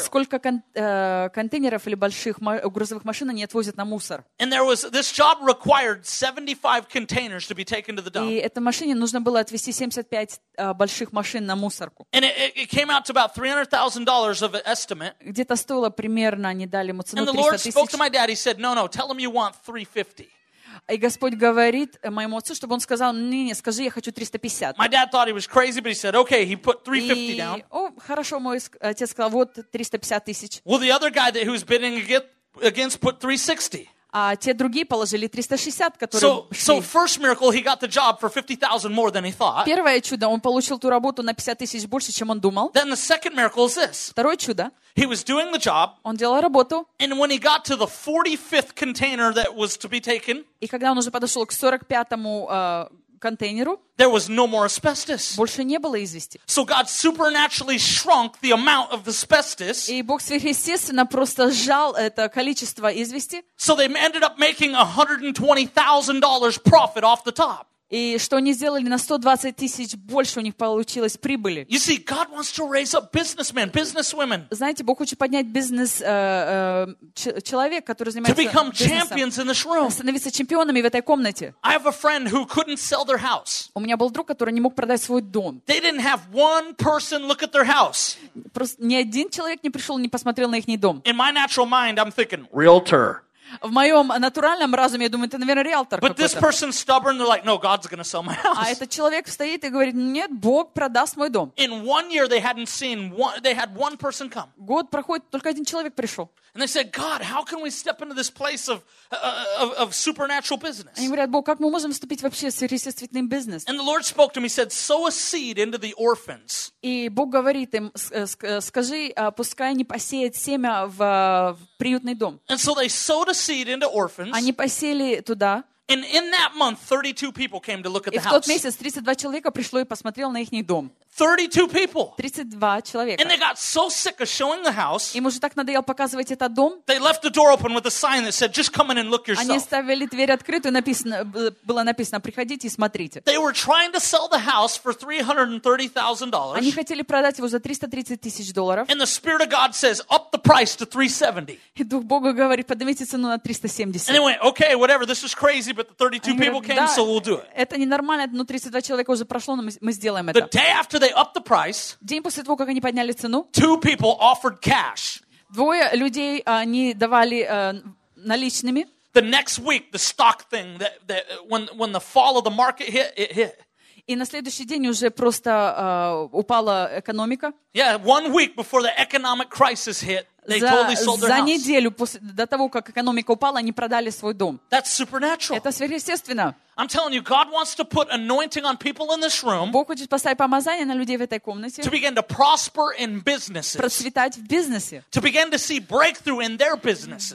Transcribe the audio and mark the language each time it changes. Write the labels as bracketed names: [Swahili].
[Russian] Сколько контейнеров или больших грузовых машин они отвозят на мусор? [English] And there was this job required 75 containers to be taken to the dump. [Russian] И этой машине нужно было отвезти 75 больших машин на мусорку. [English] And it came out to about $300,000 of an estimate. [Russian] Где-то стоило примерно, они дали ему цену 300 тысяч. [English] And the Lord spoke to my dad. He said, "No, no, tell him you want 350." [Russian] И Господь говорит моему отцу, чтобы он сказал, не-не, скажи, я хочу 350. [English] My dad thought he was crazy, but he said, okay, he put 350 down. [Russian] О, хорошо, мой отец сказал, вот 350 тысяч. [English] Well, the other guy that he was bidding against put 360. [Russian] А те другие положили 360, которые [English] So first miracle, he got the job for 50,000 more than he thought. [Russian] Первое чудо, он получил ту работу на 50 тысяч больше, чем он думал. [English] Then the second miracle is this. [Russian] Второе чудо. [English] He was doing the job. [Russian] Он делал работу. [English] And when he got to the 45th container that was to be taken. [Russian] И когда он уже подошел к 45-му контейнеру. [English] There was no more asbestos. [Russian] Больше не было извести. [English] So God supernaturally shrunk the amount of asbestos. [Russian] И Бог сверхъестественно просто сжал это количество извести. [English] So they ended up making $120,000 profit off the top. [Russian] И что они сделали, на 120 тысяч больше у них получилось прибыли. [English] You see, God wants to raise up businessmen, businesswomen. [Russian] Знаете, Бог хочет поднять бизнес человек, который занимается бизнесом. [English] To become champions in this room. [Russian] Становиться чемпионами в этой комнате. [English] I have a friend who couldn't sell their house. [Russian] У меня был друг, который не мог продать свой дом. [English] They didn't have one person look at their house. [Russian] Просто ни один человек не пришел, не посмотрел на их дом. [English] In my natural mind, I'm thinking, realtor. [Russian] В моем натуральном разуме, я думаю, это, наверное, риэлтор какой-то. [English] But this person's stubborn, they're like, no, God's gonna sell my house. [Russian] А этот человек стоит и говорит, нет, Бог продаст мой дом. [English] In one year they hadn't seen one, they had one person come. [Russian] Год проходит, только один человек пришел. [English] And they said, God, how can we step into this place of supernatural business? [Russian] Они говорят, Бог, как мы можем вступить вообще в сверхъестественный бизнес? [English] And the Lord spoke to me, said, sow a seed into the orphans. [Russian] И Бог говорит им, скажи, пускай они посеют семя в приютный дом. [English] And so they sowed a seed into orphans. [Russian] Они посеяли туда. [English] And in that month, 32 people came to look at the house. [Russian] И в тот месяц 32 человека пришло и посмотрело на их дом. [English] 32 people. [Russian] 32 человека. [English] And they got so sick of showing the house. [Russian] Им уже так надоело показывать этот дом. [English] They left the door open with a sign that said, "Just come in and look yourself." [Russian] Они ставили дверь открытую, было написано, приходите и смотрите. [English] They were trying to sell the house for $330,000. [Russian] Они хотели продать его за 330 тысяч долларов. [English] And the Spirit of God says, "Up the price to 370." [Russian] И Дух Бога говорит, поднимите цену на 370. [English] And they went, "Okay, whatever. This is crazy, but the 32 people came, so we'll do it." [Russian] Это ненормально, но 32 человека уже прошло, но мы сделаем это. [English] The day after they upped the price. [Russian] День после того, как они подняли цену, [English] two people offered cash. [Russian] Двое людей они давали наличными. [English] The next week, the stock thing that when the fall of the market hit, it hit. [Russian] И на следующий день уже просто упала экономика. [English] Yeah, one week before the economic crisis hit, they totally sold their house. [Russian] За неделю до того, как экономика упала, они продали свой дом. [English] That's supernatural. [Russian] Это сверхъестественно. [English] I'm telling you, God wants to put anointing on people in this room. [Russian] Бог хочет поставить помазание на людей в этой комнате. [English] To begin to prosper in businesses. [Russian] Процветать в бизнесе. [English] To begin to see breakthrough in their businesses.